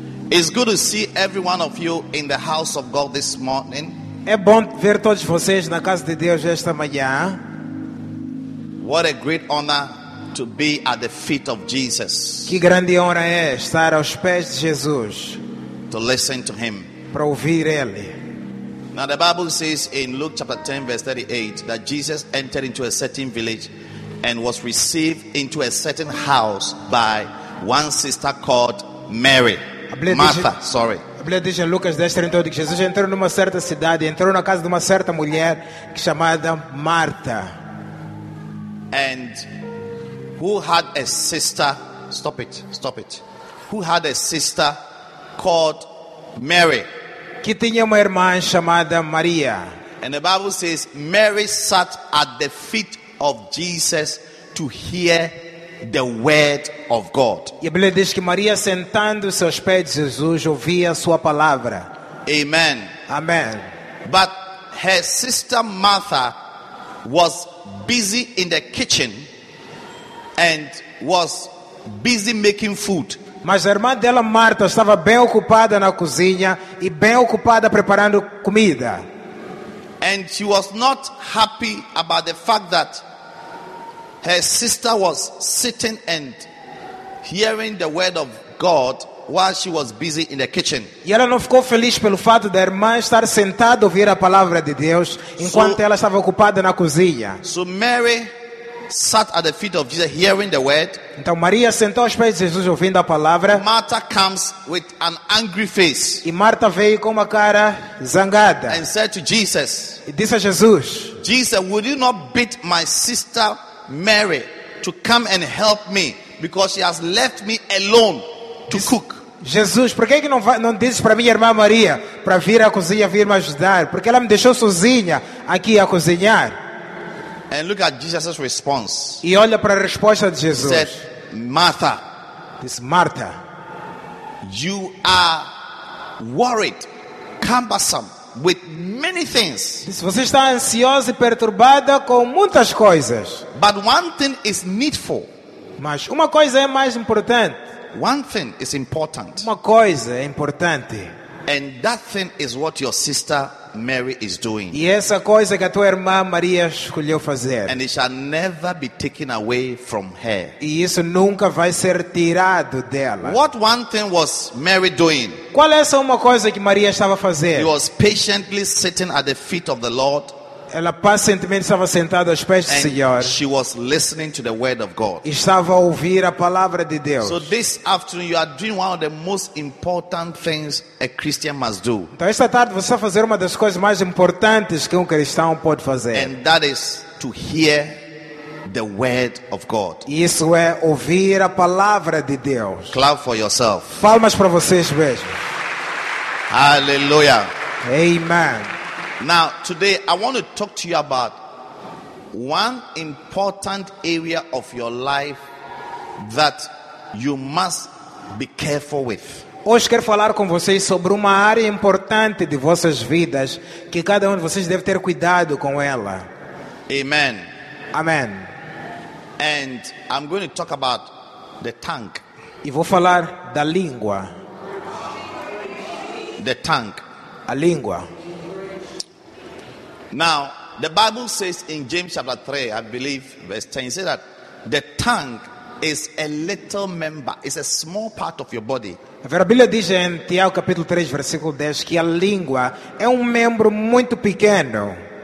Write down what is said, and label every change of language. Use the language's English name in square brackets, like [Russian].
[English] It's good to see every one of you in the house of God this morning. [Portuguese] É bom ver todos vocês na casa de Deus esta manhã. [English] What a great honor to be at the feet of Jesus. [Portuguese] Que grande honra é estar aos pés de Jesus. [English] To listen to him. [Portuguese] Para ouvir ele. [English] Now the Bible says in Luke chapter 10 verse 38 that Jesus entered into a certain village and was received into a certain house by one sister called Mary. [Portuguese] A Bíblia diz em Lucas 10:38 que Jesus entrou numa certa cidade, entrou na casa de uma certa mulher chamada Marta. [English] And who had a sister? Stop it, stop it. Who had a sister called Mary? [Portuguese] Que tinha uma irmã chamada Maria. [English] And the Bible says Mary sat at the feet of Jesus to hear the word of God. [Portuguese] E a Bíblia diz que Maria sentando-se aos pés de Jesus ouvia a sua palavra. [English] Amen. [Portuguese] Amen. [English] But her sister Martha was busy in the kitchen and was busy making food. [Portuguese] Mas a irmã dela Marta estava bem ocupada na cozinha e bem ocupada preparando comida. [English] And she was not happy about the fact that her sister was sitting and hearing the word of God while she was busy in the kitchen. [Portuguese] E ela não ficou feliz pelo fato da irmã estar sentada a ouvir a palavra de Deus enquanto ela estava ocupada na cozinha. [English] So Mary sat at the feet of Jesus hearing the word. [Portuguese] Então Maria sentou aos pés de Jesus ouvindo a palavra. [English] Martha comes with an angry face. [Portuguese] E Marta veio com uma cara zangada. [English] And said to Jesus. [Portuguese] E disse a Jesus. [English] Jesus, would you not beat my sister Mary to come and help me because she has left me alone to cook. [Portuguese] Jesus, por que que não dizes para minha irmã Maria para vir à cozinha vir me ajudar? Porque ela me deixou sozinha aqui a cozinhar. [English] And look at Jesus' response. [Portuguese] E olha para a resposta de Jesus. [English] He said, Martha. [Portuguese] Diz Marta. [English] You are worried, cumbersome with many things. [Portuguese] Você está ansiosa e perturbada com muitas coisas. [English] But one thing is needful. [Portuguese] Mas uma coisa é mais importante. [English] One thing is important. [Portuguese] Uma coisa é importante. [English] And that thing is what your sister Mary is doing. [Portuguese] E essa coisa que a tua irmã Maria escolheu fazer. [English] And it shall never be taken away from her. [Portuguese] E isso nunca vai ser tirado dela. [English] What one thing was Mary doing? [Portuguese] Qual é essa uma coisa que Maria estava fazendo? [English] She was patiently sitting at the feet of the Lord. [Portuguese] Ela pacientemente estava sentada aos pés do Senhor. [English] She was listening to the word of God. [Portuguese] E estava a ouvir a palavra de Deus. [English] So this afternoon you are doing one of the most important things a Christian must do. [Portuguese] Então esta tarde você vai fazer uma das coisas mais importantes que um cristão pode fazer. [English] And that is to hear the word of God. [Portuguese] Isso é ouvir a palavra de Deus. [English] Clap for yourself. [Portuguese] Palmas para vocês mesmos. [English] Hallelujah. [Portuguese] Amen. [English] Now, today, I want to talk to you about one important area of your life that you must be careful with. [Portuguese] Hoje quero falar com vocês sobre uma área importante de vossas vidas que cada um de vocês deve ter cuidado com ela. [English] Amen. [Portuguese] Amen. [English] And I'm going to talk about the tongue. [Portuguese] E vou falar da língua. [English] the tongue. [Portuguese] A língua. [English] Now, the Bible says in James chapter 3, I believe, verse 10, it says that the tongue is a little member, it's a small part of your body. [Portuguese] A Bíblia diz em Tiago capítulo 3, versículo 10, que a língua é membro muito pequeno.